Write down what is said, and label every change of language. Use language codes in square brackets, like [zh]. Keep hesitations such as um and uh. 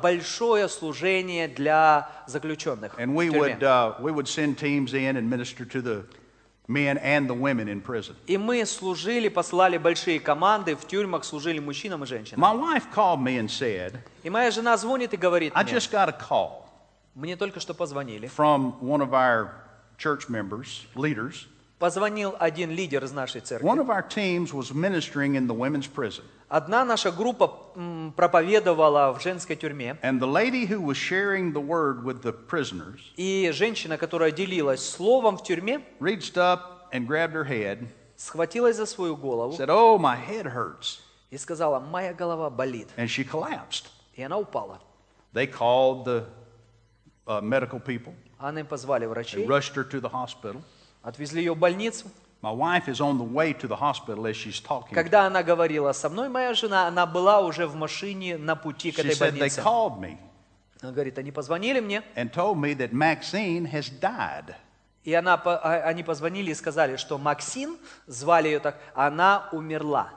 [ru] большое служение для заключенных. И мы служили, посылали большие команды в тюрьмах, служили мужчинам и женщинам. и моя жена звонит и говорит мне, [en] I just got [ru] мне только что позвонили. [en] From one of our church members, leaders. [ru] Позвонил один лидер из нашей церкви. [en] One of our teams was ministering in the women's prison. [ru] Одна наша группа проповедовала в женской тюрьме. [en] And the lady who was sharing the word with the prisoners. [ru] И женщина, которая делилась словом в тюрьме. [en] Reached up and grabbed her head. [ru] Схватилась за свою голову. [en] Said, "Oh, my head hurts." [ru] И сказала, моя голова болит. [en] And she collapsed. [ru] И она упала. [en] They called the medical people. [ru] Они позвали врачей. [en] They rushed her to the hospital. [ru] Отвезли ее в больницу. [en] My wife is on the way to the hospital as she's talking. [ru] Когда она говорила со мной, моя жена, она была уже в машине на пути к этой She больнице. [en] She said they called me. [ru] Она говорит, они позвонили мне. [en] And told me that Maxine has died. [ru] И она, они позвонили и сказали, что Максим, звали ее так, она умерла.